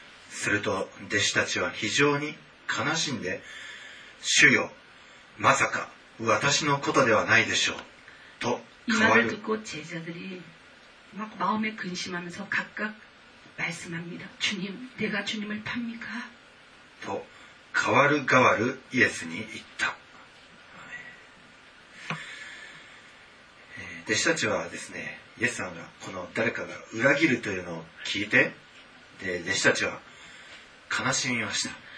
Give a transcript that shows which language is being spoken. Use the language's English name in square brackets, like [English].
[Japanese] すると弟子たちは非常に悲しんで、主よ、まさか私のことではないでしょう。と変わる。 [Korean] 이말을듣고제자들이막마음에근심하면서각각말씀합니다。 주님、내가주님을팝니까？ [Japanese] と変わる変わるイエスに言った。弟子たちはですね、イエスさんがこの誰かが裏切るというのを聞いて、で弟子たちは悲しみました。